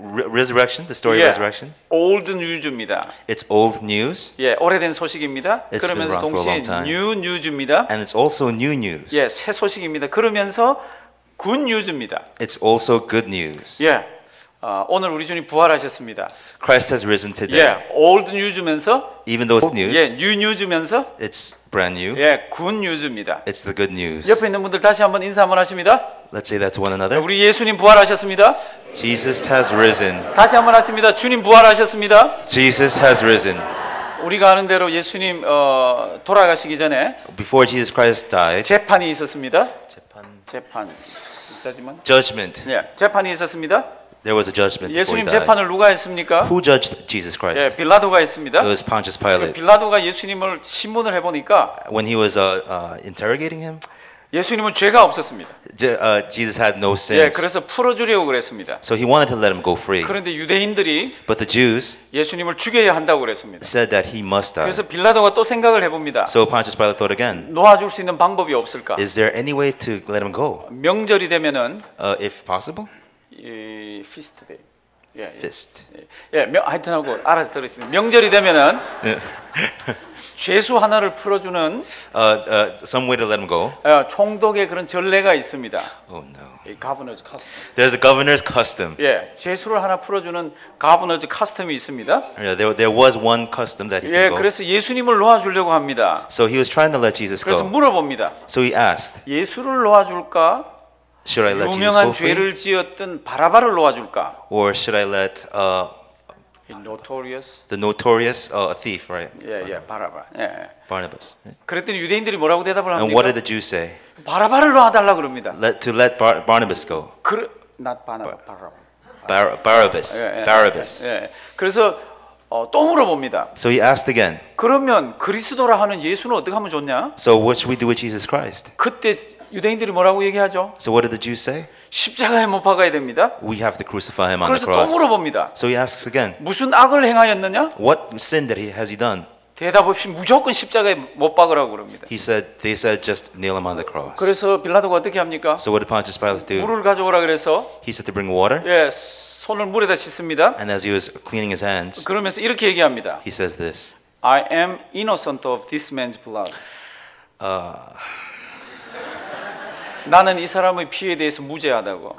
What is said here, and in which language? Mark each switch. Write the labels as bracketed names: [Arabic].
[English] resurrection, the story of resurrection. Old news [Korean] 입니다. [English] It's old news. [Korean] 예, 오래된 소식입니다. [English] It's [Korean] 그러면서 [English] been around [Korean] 동시에 [English] for a long time. New news [Korean] 입니다. [English] And it's also new news. [Korean] 예, 새 소식입니다. 그러면서 [English] good news [Korean] 입니다. [English] It's also good news. [Korean] 예. 오늘 우리 주님 부활하셨습니다. [English] Christ has risen today. Yeah, old news [Korean] 면서 [English] even though it's news. Yeah, new news [Korean] 면서 [English] it's brand new. Yeah, good news [Korean] 입니다. [English] It's the good news. [Korean] 옆에 있는 분들 다시 한번 인사 한번 하십니다. [English] Let's say that to one another. [Korean] 우리 예수님 부활하셨습니다. [English] Jesus has risen. [Korean] 다시 한번 하십니다. 주님 부활하셨습니다. [English] Jesus has risen. [Korean] 우리가 아는 대로 예수님 돌아가시기 전에 [English] before Jesus Christ died. [Korean] 재판이 있었습니다. 재판. [English] Judgment. [Korean] Yeah, 재판이 있었습니다. [English] There was a judgment. [Korean] 예수님 재판을 누가 했습니까? [English] Who judged Jesus Christ? [Korean] 예, 빌라도가 했습니다. [English] It was Pontius Pilate. [Korean] 빌라도가 예수님을 심문을 해보니까, [English] when he was interrogating him, [Korean] 예수님은 죄가 없었습니다. [English] Jesus had no sins. [Korean] 예, 그래서 풀어주려고 그랬습니다. [English] So he wanted to let him go free. [Korean] 그런데 유대인들이, [English] but the Jews, [Korean] 예수님을 죽여야 한다고 그랬습니다. [English] Said that he must die. [Korean] 그래서 빌라도가 또 생각을 해봅니다. [English] So Pontius Pilate thought again. [Korean] 놓아줄 수 있는 방법이 없을까? [English] Is there any way to let him go? [Korean] 명절이 되면은, [English] if possible. 이 피스트 데이. 예. 피스트. [Korean] 예. 명 하여튼 하고 알아서 들으겠습니다. 명절이 되면은 죄수 하나를 풀어 주는 [English] some way to let him go. [Korean] 총독의 그런 전례가 있습니다. [English] Oh no. Governor's custom. There's a governor's custom. [Korean] 예. 죄수를 하나 풀어 주는 [English] governor's custom [Korean] 이 있습니다. [English] Yeah, there was one custom that he could go. [Korean] 예. 그래서 예수님을 놓아 주려고 합니다. [English] So he was trying to let Jesus go. [Korean] 그래서 물어봅니다. [English] So he asked. [Korean] 예수를 놓아 줄까? [English] Should I let Jesus go? [Korean] 유명한 죄를 지었던 바라바를 놓아줄까? [English] Or should I let the notorious thief, right? Yeah, yeah, Barabbas. Yeah, Barnabas. [Korean] 그랬더니 유대인들이 뭐라고 대답을 합니까? [English] And what did the Jews say? [Korean] 바라바를 놓아달라 그럽니다. [English] To let Barnabas go. Not Barnabas. Barabbas. Barabbas. [Korean] 그래서 또 물어봅니다. [English] So he asked again. [Korean] 그러면 그리스도라 하는 예수는 어떻게 하면 좋냐? [English] So what should we do with Jesus Christ? [Korean] 그때 유대인들이 뭐라고 얘기하죠? [English] So what did the Jews say? [Korean] 십자가에 못 박아야 됩니다. [English] We have to crucify him on the cross. [Korean] 그래서 또 물어봅니다. [English] So he asks again. [Korean] 무슨 악을 행하였느냐? [English] What sin did he has he done? [Korean] 대답 없이 무조건 십자가에 못 박으라고 그럽니다. [English] He said they said just nail him on the cross. [Korean] 그래서 빌라도가 어떻게 합니까? [English] So what did Pontius Pilate do? [Korean] 물을 가져오라 그래서. [English] He said to bring water. [Korean] 예, 손을 물에다 씻습니다. [English] And as he was cleaning his hands. [Korean] 그러면서 이렇게 얘기합니다. [English] He says this. I am innocent of this man's blood. [Korean] 나는 이 사람의 피에 대해서 무죄하다고.